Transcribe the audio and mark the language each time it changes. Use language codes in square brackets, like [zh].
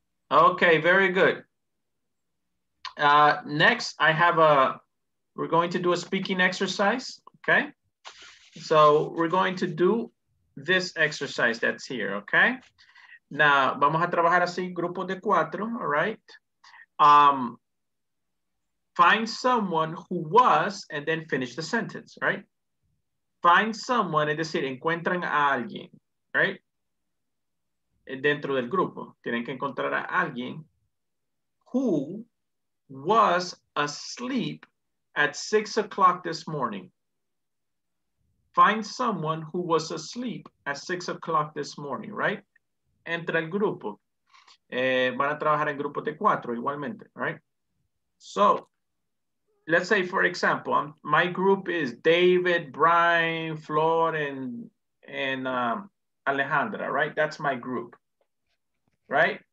[en] Okay, very good. Next, I have we're going to do a speaking exercise, okay? So we're going to do this exercise that's here, okay? [es] Now, vamos a trabajar así, grupo de cuatro, [en] all right? Find someone who was, and then finish the sentence, right? Find someone, [es] es decir, encuentran a alguien, right? Dentro del grupo, tienen que encontrar a alguien [en] who was asleep at 6 o'clock this morning. Find someone who was asleep at 6 o'clock this morning, right? [es] Entra el grupo. Van a trabajar en grupos de cuatro igualmente, [en] right? So, let's say, for example, my group is David, Brian, Flor, and Alejandra, right? That's my group, right?